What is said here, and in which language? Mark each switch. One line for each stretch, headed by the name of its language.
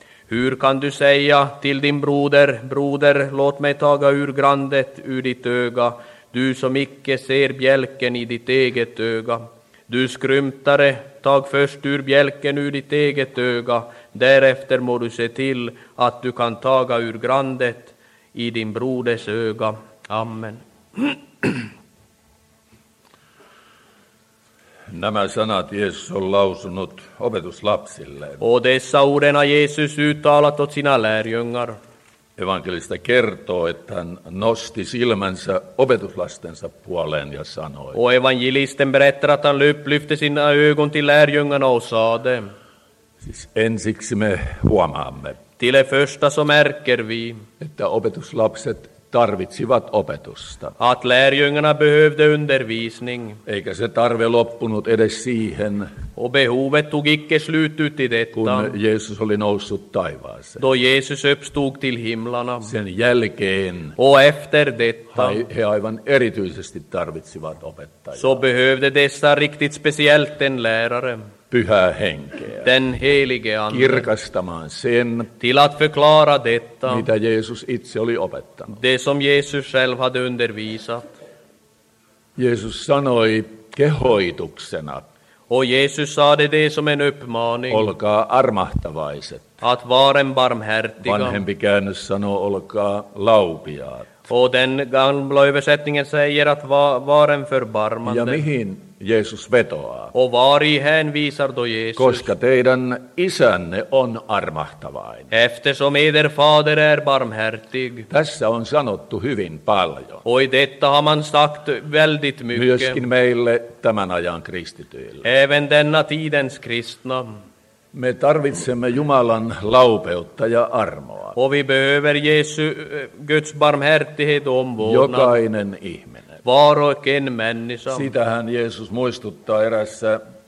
Swedish: Hur kan du säga till din broder, broder, låt mig taga ur grandet ur ditt öga, du som icke ser bjälken i ditt eget öga? Du skrymtare, tag först ur bjälken ur ditt eget öga, därefter må du se till att du kan taga ur grandet i din broders öga. Amen.
Finnish: Nämä sanat Jeesus on lausunut opetuslapsille.
Swedish: Och dessa orden har Jesus uttalat åt sina lärjungar.
Finnish: Evankelista kertoo, että hän nosti silmänsä opetuslastensa puoleen ja sanoi.
Swedish: Och evangelisten berättar att han lyfte sina ögon till lärjungarna och sade.
Finnish: Siis ensiksi me huomaamme.
Swedish: Till det första så märker vi.
Finnish: Että opetuslapset tarvitsivat opetusta.
Swedish: Att lärjungarna behövde undervisning.
Finnish: Eikä se tarve loppunut edes siihen.
Swedish: Och behovet tog icke slut ut i detta.
Finnish: Kun Jeesus oli noussut taivaaseen.
Swedish: Då Jesus uppstod till himlarna.
Finnish: Sen jälkeen.
Swedish: Och efter detta.
Finnish: He aivan erityisesti tarvitsivat opettajaa.
Swedish: Så behövde dessa riktigt speciellt en lärare.
Finnish: Pyhää henkeä.
Swedish: Den helige ande.
Finnish: Kirkastamaan sen.
Swedish: Till att förklara detta.
Finnish: Mitä Jeesus itse oli opettanut.
Swedish: Det som Jesus själv hade undervisat.
Finnish: Jeesus sanoi kehoituksena.
Swedish: Och Jesus sade det som en uppmaning.
Finnish: Olkaa armahtavaiset.
Swedish: Att vara en barmhärtiga.
Finnish: Vanhempi käännös sanoo olkaa laupiaat.
Swedish: Och den gamla översättningen säger att vara en förbarmande.
Finnish: Ja mihin Jeesus vetoaa?
Swedish: Och vari hänvisar då Jeesus?
Finnish: Koska teidän isänne on armahtavainen.
Swedish: Eftersom eder fader är barmhärtig.
Finnish: Tässä on sanottu hyvin paljon.
Swedish: Och i detta har man sagt väldigt mycket.
Finnish: Myöskin meille tämän ajan kristityille.
Swedish: Även denna tidens kristna.
Finnish: Me tarvitsemme Jumalan laupeutta ja armoa.
Swedish: Och vi behöver Jesu Guds barmhärtighet och omvårdnad.
Finnish: Jokainen ihminen.
Swedish: Var och en människa.
Finnish: Sitähän Jeesus muistuttaa erässä